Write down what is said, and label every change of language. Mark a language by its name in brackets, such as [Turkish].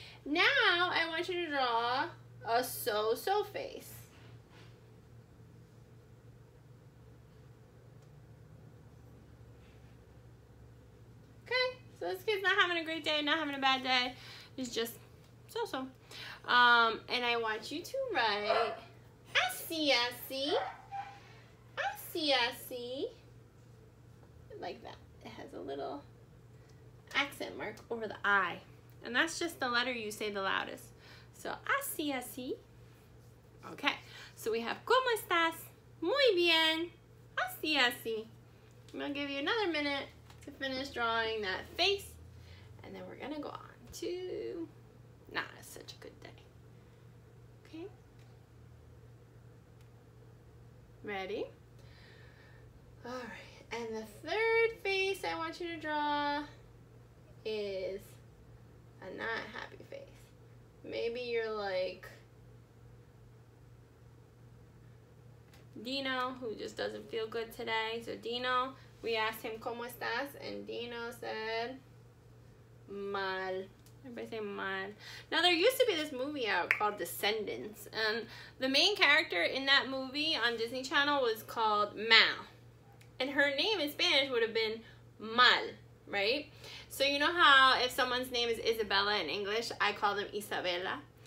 [English] Now, I want you to draw a so-so face. Okay, so this kid's not having a great day, not having a bad day. He's just so-so. And I want you to write, [Spanish] así, así. Así, así. [English] Like that. It has a little accent mark over the I. And that's just the letter you say the loudest. So, [Spanish] así, así. [English] Okay. So we have, [Spanish] ¿cómo estás? Muy bien. Así, así. [English] I'm going to give you another minute to finish drawing that face. And then we're going to go on to not such a good day. Okay. Ready? All right. And the third face I want you to draw is a not happy face. Maybe you're like Dino, who just doesn't feel good today. So Dino, we asked him, [Spanish] ¿cómo estás? [English] And Dino said, [Spanish] mal. [English] Everybody say mal. Now, there used to be this movie out called Descendants. And the main character in that movie on Disney Channel was called Mal. And her name in Spanish would have been mal, right? So you know how if someone's name is Isabella in English, I call them Isabella?